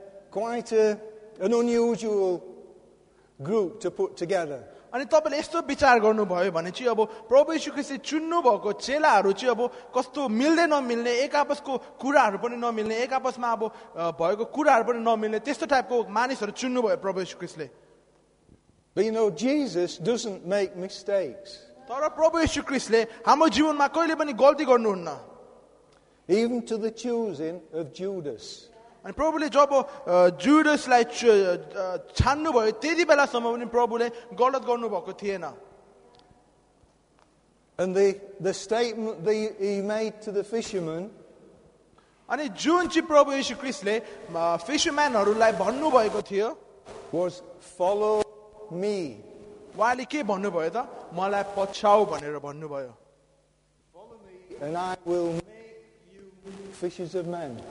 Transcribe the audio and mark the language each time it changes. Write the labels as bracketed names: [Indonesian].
[English] Quite an unusual group to put together. [Nepali] अनि तपाईँले यस्तो विचार गर्नुभयो भने चाहिँ अब प्रभु यीशु ख्रीष्ट चुन्नु भएको चेलाहरू चाहिँ अब कस्तो मिल्दै नमिल्ने एक आपसको कुराहरू पनि नमिल्ने एक आपसमा अब भएको कुराहरू पनि नमिल्ने त्यस्तो टाइपको मानिसहरू चुन्नु भयो प्रभु यीशु ख्रीष्टले. [English] But you know, Jesus doesn't make mistakes. [Nepali] तर प्रभु यीशु ख्रीष्टले हाम्रो जीवनमा कहिले पनि गल्ती गर्नुहुन्न. [English] Even to the choosing of Judas. [Nepali] अनि प्रभुले जब जुडसलाई छान्नुभयो त्यति बेलासम्म पनि प्रभुले गलत गर्नुभएको थिएन. [English] And the statement that he made to the fishermen. [Nepali] अनि जुन चाहिँ प्रभु यीशु ख्रीष्टले फिसरम्यानहरूलाई भन्नुभएको थियो [English] was follow me. [Nepali] उहाँले के भन्नुभयो त मलाई पछ्याउ भनेर भन्नुभयो. [English] Fishes of men.